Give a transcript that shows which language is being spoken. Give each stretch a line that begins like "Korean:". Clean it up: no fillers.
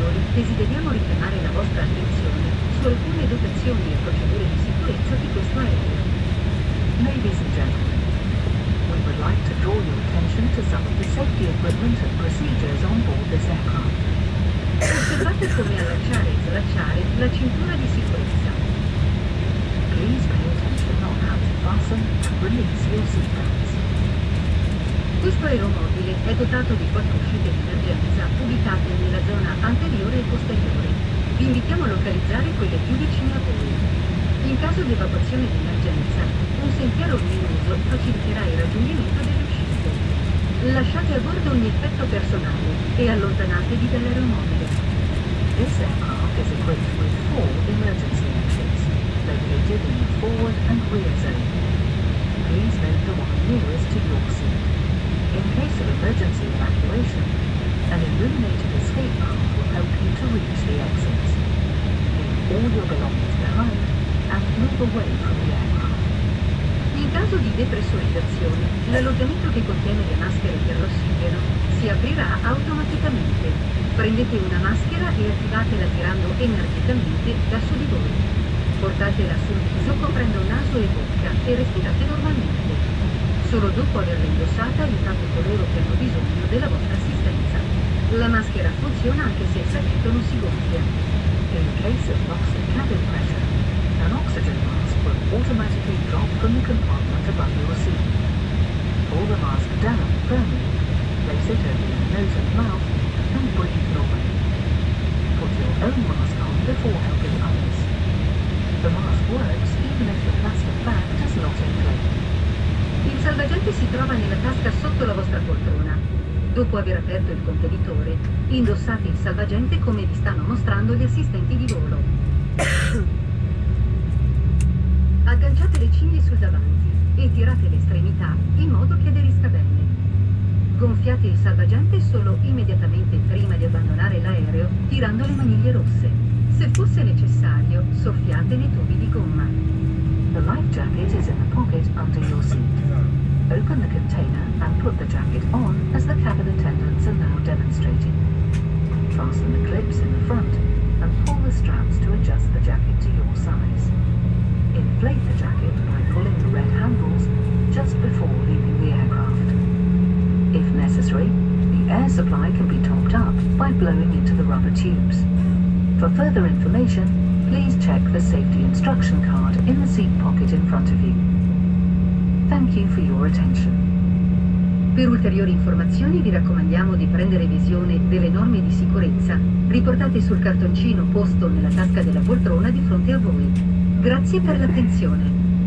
Italian: Desideriamo richiamare la vostra attenzione su alcune dotazioni e procedure di sicurezza di questo aereo.
English: Ladies and gentlemen, we would like to draw your attention to some of the safety equipment and procedures on board this aircraft.
Italian: Osservate come allacciare e slacciare la cintura di sicurezza.
English: Please pay attention on how to fasten and release your seatbelts.
Italian: Questo aeromobile è dotato di quattro uscite di emergenza ubicate nella zona anteriore e posteriore. Vi invitiamo a localizzare quelle più vicine a voi. In caso di evacuazione di emergenza, un sentiero luminoso faciliterà il raggiungimento delle uscite. Lasciate a bordo ogni effetto personale e allontanatevi dall'aeromobile.
English: This aircraft is equipped with four emergency exits, located in the forward and rear zone. Please note the one nearest to your seat. In case of emergency evacuation, an illuminated escape path will help you to reach the exits. Leave all your belongings behind and move away from the aircraft.
Italian: In caso di depressurizzazione, l'alloggiamento che contiene le maschere per l'ossigeno si aprirà automaticamente. Prendete una maschera e attivatela tirando energicamente verso di voi. Portatela sul viso coprendo naso e bocca e respirate normalmente. Solo dopo averla indossata aiutate coloro che hanno bisogno della vostra assistenza. La maschera funziona anche se il sacchetto non si gonfia.
English: In case of lost cabin pressure, an oxygen mask will automatically drop from the compartment above your seat. Pull the mask down firmly, place it over your nose and mouth, and breathe normally. Put your own mask on before helping others. The mask works even if the plastic bag does not inflate.
Italian: Il salvagente si trova nella tasca sotto la vostra poltrona. Dopo aver aperto il contenitore, indossate il salvagente come vi stanno mostrando gli assistenti di volo. Agganciate le cinghie sul davanti e tirate le estremità in modo che aderisca bene. Gonfiate il salvagente solo immediatamente prima di abbandonare l'aereo tirando le maniglie rosse. Se fosse necessario, soffiate nei tubi di gomma.
English: The life jacket is in the pocket under your seat. Open the container and put the jacket on as the cabin attendants are now demonstrating. Fasten the clips in the front and pull the straps to adjust the jacket to your size. Inflate the jacket by pulling the red handles just before leaving the aircraft. If necessary, the air supply can be topped up by blowing into the rubber tubes. For further information, please check the safety instruction card in the seat pocket in front of you. Thank you for your attention.
Italian: Per ulteriori informazioni vi raccomandiamo di prendere visione delle norme di sicurezza riportate sul cartoncino posto nella tasca della poltrona di fronte a voi. Grazie per l'attenzione.